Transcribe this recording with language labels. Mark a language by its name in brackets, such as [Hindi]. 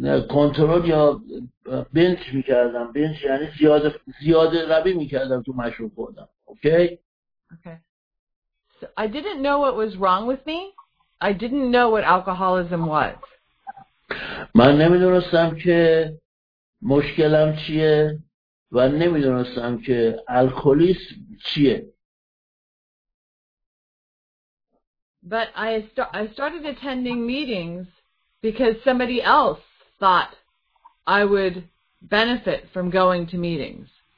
[Persian] کنترل یا بنچ میکردم. بنچ یعنی زیاد زیاد روی میکردم تو مشروب خوردم. [English] Okay. So I didn't know what was wrong with me. I didn't know what alcoholism was. [Persian] من نمیدونستم که مشکلم چیه و نمیدونستم که الکلیسم چیه. [English] But I started attending meetings because somebody else thought I would benefit from going to meetings.